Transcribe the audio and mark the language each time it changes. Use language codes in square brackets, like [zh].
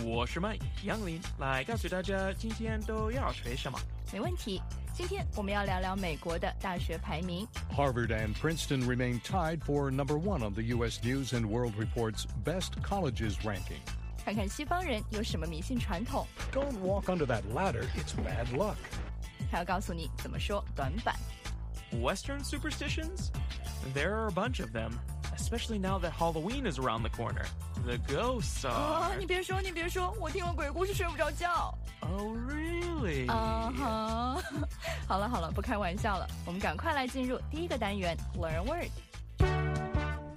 [zh] 我是麦杨林，来告诉大家今天都要学什么。没问题，今天我们要聊聊美国的大学排名。 [en] Harvard and Princeton remain tied for number one on the U.S. News and World Report's Best Colleges ranking. [zh] 看看西方人有什么迷信传统。 [en] Don't walk under that ladder, it's bad luck. [zh] 还要告诉你怎么说短板。 [en] Western superstitions? There are a bunch of them, especially now that Halloween is around the corner. The ghosts are... [zh] 你别说,我听了鬼故事睡不着觉。 [en] Oh, really? [zh] Uh-huh. 好了,不开玩笑了。我们赶快来进入第一个单元 , [en] Learn a Word.